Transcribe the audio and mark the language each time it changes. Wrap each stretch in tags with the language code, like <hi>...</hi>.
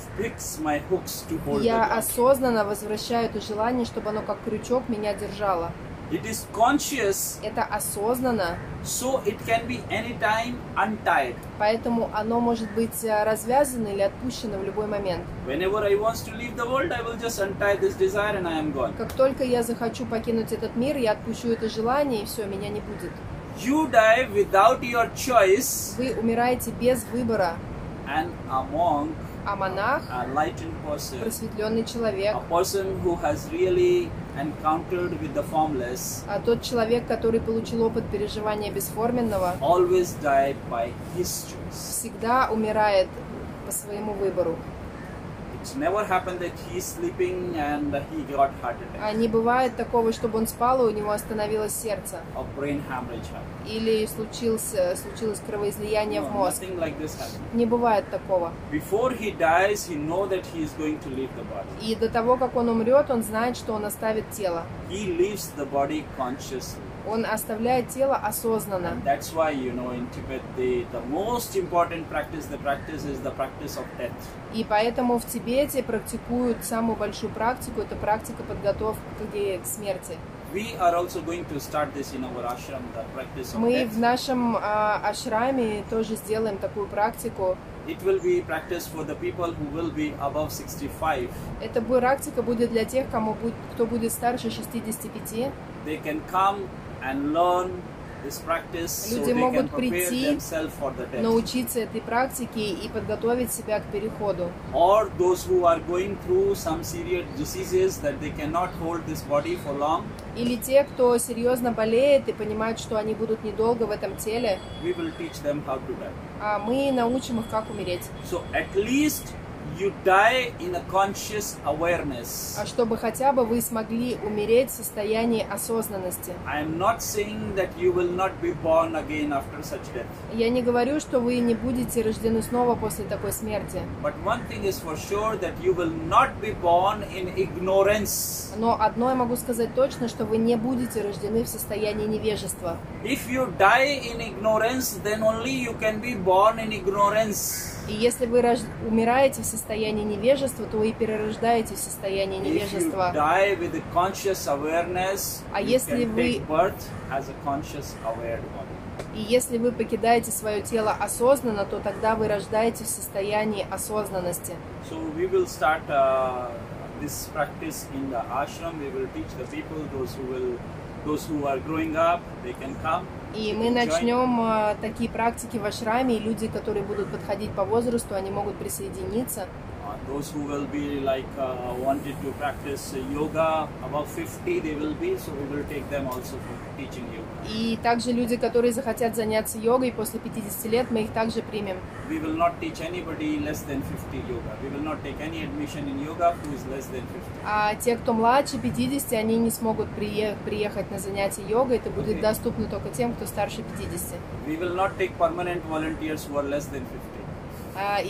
<en>to fix my hooks to hold</en> <ru>я осознанно возвращаю это желание, чтобы оно как крючок меня держало.</ru> <en>It is conscious.</en> <ru>Это осознанно.</ru> <en>So it can be anytime untied.</en> <ru>Поэтому оно может быть развязано или отпущено в любой момент.</ru> <en>Whenever I want to leave the world, I will just untie this desire and I am gone.</en> <ru>Как только я захочу покинуть этот мир, я отпущу это желание и все, меня не будет.</ru> <en>You die without your choice.</en> <ru>Вы умираете без выбора.</ru> <en>And a monk,</en> <ru>а монах,</ru> <en>a enlightened person,</en> <ru>просветленный человек,</ru> <en>a person who has really encountered with the formless,</en> <ru>а тот человек, который получил опыт переживания бесформенного,</ru> <en>always died by his choice.</en> <ru>Всегда умирает по своему выбору.</ru> <en>It's never happened that he's sleeping and he got heart attack.</en> <ru>А не бывает такого, чтобы он спал и у него остановилось сердце.</ru> <en>Or brain hemorrhage.</en> <ru>Или случилось кровоизлияние в мозг.</ru> <en>Nothing like this happened.</en> <ru>Не бывает такого.</ru> <en>Before he dies, he knows that he is going to leave the body.</en> <ru>И до того, как он умрет, он знает, что он оставит тело.</ru> <en>He leaves the body consciously.</en> <ru>Он оставляет тело осознанно.</ru> <en>And that's why, you know, in Tibet, the most important practice, the practice is the practice of death.</en> <ru>И поэтому в Тибете практикуют самую большую практику, это практика подготовки к смерти.</ru> <en>We are also going to start this in our ashram, the practice of death.</en> <ru>Мы в нашем ашраме тоже сделаем такую практику.</ru> <en>It will be practice for the people who will be above 65.</en> <ru>Эта практика будет для тех, кто будет старше 65.</ru> <en>They can come and learn this practice.</en> <ru>Люди</ru> <en>so they</en> <ru>могут</ru> <en>can prepare</en> <ru>прийти,</ru> <en>themselves for the death.</en> <ru>Научиться этой практике и подготовить себя к переходу.</ru> <en>Or those who are going through some serious diseases that they cannot hold this body for long.</en> <ru>Или те, кто серьезно болеет и понимает, что они будут недолго в этом теле.</ru> <en>We will teach them how to die.</en> <ru>А мы научим их, как умереть.</ru> <en>So at least you die in a conscious awareness.</en> <ru>А чтобы хотя бы вы смогли умереть в состоянии осознанности.</ru> <en>I am not saying that you will not be born again after such death.</en> <ru>Я не говорю, что вы не будете рождены снова после такой смерти.</ru> <en>But one thing is for sure that you will not be born in ignorance.</en> <ru>Но одно я могу сказать точно, что вы не будете рождены в состоянии невежества.</ru> <en>If you die in ignorance, then only you can be born in ignorance.</en> <ru>И если вы умираете в состоянии невежества, то вы и перерождаетесь в состоянии невежества.</ru> <en>If you die with a conscious awareness,</en> <ru>а если вы...</ru> <en>you can take birth as a conscious aware body.</en> <ru>И если вы покидаете свое тело осознанно, то тогда вы рождаетесь в состоянии осознанности.</ru> <en>So we will start this practice in the ashram. We will teach the people, those who are growing up, they can come.</en> <ru>И мы начнем такие практики в ашраме, и люди, которые будут подходить по возрасту, они могут присоединиться.</ru> <en>Those who will be like wanted to practice yoga above 50, they will be, so we will take them also for teaching yoga.</en> <ru>И также люди, которые захотят заняться йогой после 50 лет, мы их также примем.</ru> <en>We will not teach anybody less than 50 yoga. We will not take any admission in yoga who is less than 50.</en> <ru>А те, кто младше 50, они не смогут приехать на занятия йогой. Это будет okay. Доступно только тем, кто старше 50.</ru> <en>We will not take permanent volunteers who are less than 50.</en>